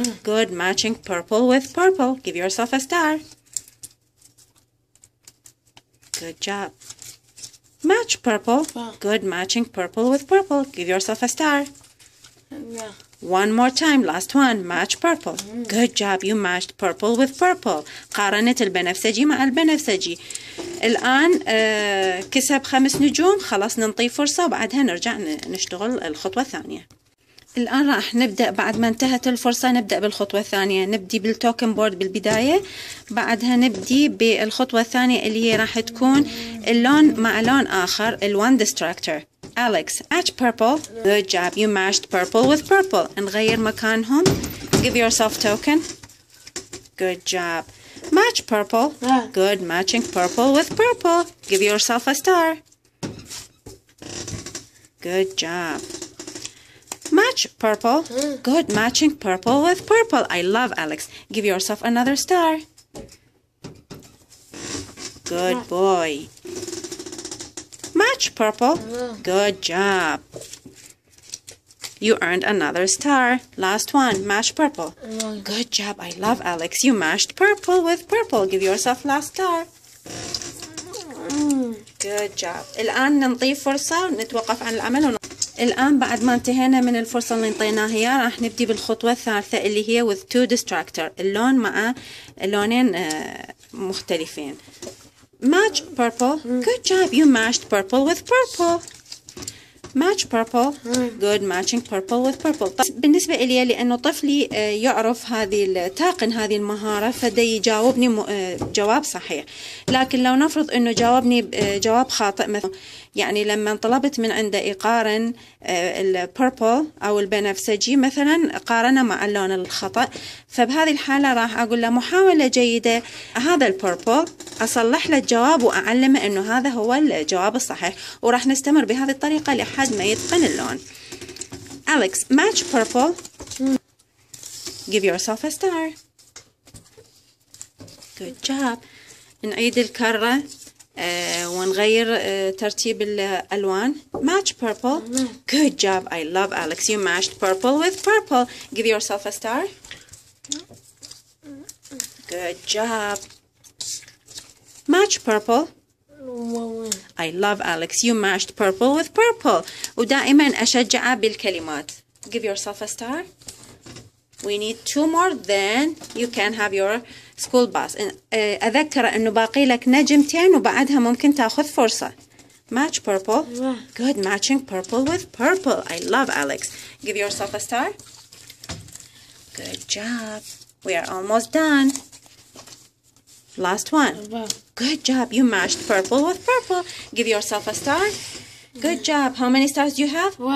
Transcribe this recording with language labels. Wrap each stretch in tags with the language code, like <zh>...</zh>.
<en>Good matching purple with purple. Give yourself a star. Good job. Match purple. Good matching purple with purple. Give yourself a star. One more time. Last one. Match purple. Good job. You matched purple with purple.</en> <ar>قارنت البنفسجي مع البنفسجي. الآن كسب 5 نجوم. خلاص ننطي فرصة وبعدها نرجع نشتغل الخطوة الثانية. الآن راح نبدأ بعد ما انتهت الفرصة، نبدأ بالخطوة الثانية. نبدي بالتوكن بورد بالبداية، بعدها نبدي بالخطوة الثانية اللي هي راح تكون اللون مع لون آخر، الوان ديستراكتر.</ar> <en>Alex, match purple. Good job. You matched purple with purple.</en> <ar>نغير مكانهم.</ar> <en>Give yourself token. Good job. Match purple. Good matching purple with purple. Give yourself a star. Good job. Match purple. Good matching purple with purple. I love Alex. Give yourself another star. Good boy. Match purple. Good job. You earned another star. Last one. Match purple. Good job. I love Alex. You matched purple with purple. Give yourself last star. Good job.</en> <ar>الآن ننطي فرصة ونتوقف عن العمل. الآن بعد ما انتهينا من الفرصة اللي انطيناها هي، راح نبدي بالخطوة الثالثة اللي هي</ar> <en>with two distractor،</en> <ar>اللون مع لونين مختلفين.</ar> <en>Match purple. Good job. You matched purple with purple. Match purple. Good matching purple with purple.</en> <ar>بالنسبة إلي، لأنه طفلي يعرف هذه تاقن هذه المهارة، فدي يجاوبني جواب صحيح. لكن لو نفرض إنه جاوبني جواب خاطئ، مثلا يعني لما طلبت من عنده يقارن البربل أو البنفسجي مثلا، قارنه مع اللون الخطأ، فبهذه الحالة راح أقول له محاولة جيدة هذا البربل، أصلح له الجواب وأعلمه إنه هذا هو الجواب الصحيح، وراح نستمر بهذه الطريقة لحد ما يتقن اللون.</ar> <en>Alex, match purple. Give yourself a star. Good job.</en> <ar>نعيد الكرة ونغير ترتيب الألوان.</ar> <en>Match purple. Good job. I love Alex. You matched purple with purple. Give yourself a star. Good job. Match purple. I love Alex. You matched purple with purple.</en> <ar>ودائما أشجع بالكلمات.</ar> <en>Give yourself a star. We need 2 more, then you can have your school bus.</en> <ar>أذكر أنه باقي لك نجمتين وبعدها ممكن تأخذ فرصة.</ar> <en>Match purple. Good matching purple with purple. I love Alex. Give yourself a star. Good job. We are almost done. Last one. Good job. You matched purple with purple. Give yourself a star. Good job. How many stars do you have?</en>